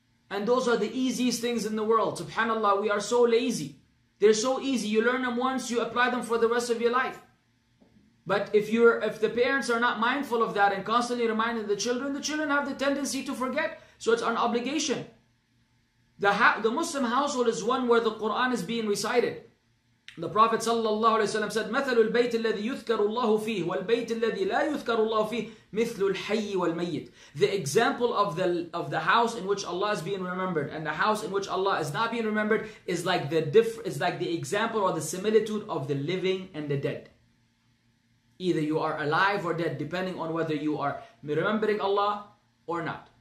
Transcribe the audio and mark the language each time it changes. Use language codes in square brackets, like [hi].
[en] And those are the easiest things in the world. Subhanallah, we are so lazy. They're so easy. You learn them once, you apply them for the rest of your life. But if the parents are not mindful of that and constantly reminding the children have the tendency to forget. So it's an obligation. The Muslim household is one where the Quran is being recited. The Prophet sallallahu alaihi wasallam said, [ar] مَثَلُ الْبَيْتِ الَّذِي يُذْكَرُ اللَّهُ فِيهِ وَالْبَيْتِ الَّذِي لَا يُذْكَرُ اللَّهُ فِيهِ مِثْلُ الْحَيِّ وَالْمَيِّتِ. [en] The example of the house in which Allah is being remembered and the house in which Allah is not being remembered is like the example or the similitude of the living and the dead. Either you are alive or dead, depending on whether you are remembering Allah or not.